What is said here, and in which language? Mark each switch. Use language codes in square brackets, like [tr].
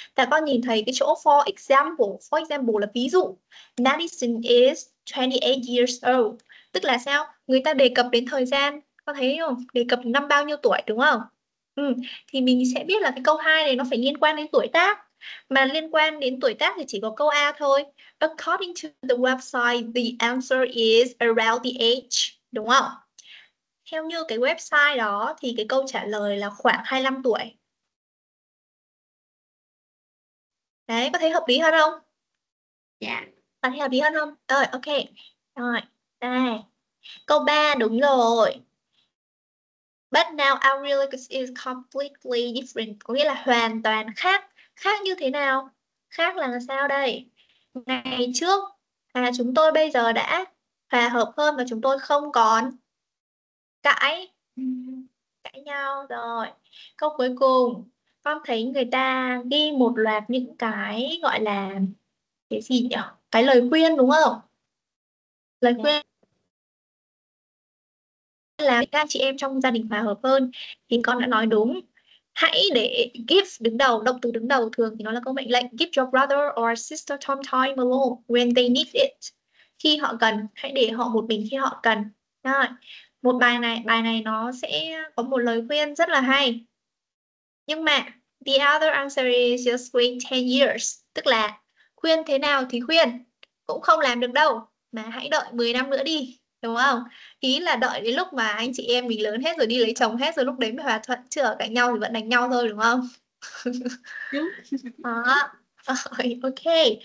[vi] Ta có nhìn thấy cái chỗ [en] for example [vi] là ví dụ. [en] Madison is 28 years old. [vi] Tức là sao? Người ta đề cập đến thời gian, có thấy không? Đề cập đến năm bao nhiêu tuổi, đúng không? Ừ, thì mình sẽ biết là cái câu 2 này nó phải liên quan đến tuổi tác. Mà liên quan đến tuổi tác thì chỉ có câu A thôi. [en] According to the website, the answer is around the age. [vi] Đúng không? Theo như cái website đó thì cái câu trả lời là khoảng 25 tuổi. Đấy, có thấy hợp lý hơn không? Bạn thấy hợp lý hơn không? Rồi, ok. Rồi, đây. Câu 3 đúng rồi. [en] But now Aurelius is completely different. [vi] Có nghĩa là hoàn toàn khác. Khác như thế nào? Khác là sao đây? Ngày trước, à, chúng tôi bây giờ đã hòa hợp hơn và chúng tôi không còn cãi nhau rồi. Câu cuối cùng, con thấy người ta ghi một loạt những cái gọi là cái gì nhỉ? Cái lời khuyên đúng không? Lời khuyên là các chị em trong gia đình hòa hợp hơn, thì con đã nói đúng. Hãy để give đứng đầu, động từ đứng đầu thường thì nó là câu mệnh lệnh. [en] Give your brother or sister some time alone when they need it. [vi] Khi họ cần, hãy để họ một mình khi họ cần. Rồi. Một bài này nó sẽ có một lời khuyên rất là hay. Nhưng mà [en] the other answer is just wait 10 years. [vi] Tức là khuyên thế nào thì khuyên cũng không làm được đâu, mà hãy đợi 10 năm nữa đi, đúng không? Ý là đợi đến lúc mà anh chị em mình lớn hết rồi, đi lấy chồng hết rồi, lúc đấy mới hòa thuận, chứ ở cạnh nhau thì vẫn đánh nhau thôi, đúng không? Đó. Đúng. Rồi, ok.